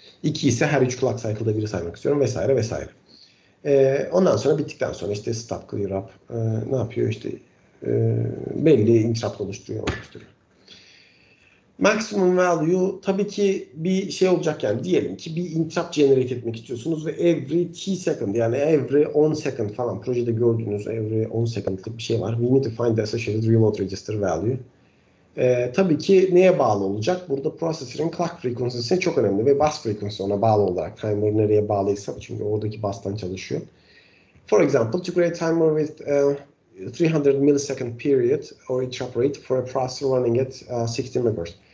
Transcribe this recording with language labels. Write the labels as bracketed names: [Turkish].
[Turkish] İki ise her üç clock cycle'da biri saymak istiyorum vesaire vesaire. Ondan sonra bittikten sonra işte stop clear up ne yapıyor işte belli interrupt oluşturuyor. Maximum value tabii ki bir şey olacak yani diyelim ki bir interrupt generate etmek istiyorsunuz ve [English] every t second [Turkish] yani [English] every 10 second [Turkish] falan projede gördüğünüz every 10 second'lık bir şey var. [English] We need to find the associated reload register value. [Turkish] Tabii ki neye bağlı olacak? Burada processor'ın clock frequency'si çok önemli ve bus frequency ona bağlı olarak timer nereye bağlıysa çünkü oradaki bastan çalışıyor. [English] For example, to create a timer with 300 millisecond period or interrupt rate for a processor running at 60 MHz.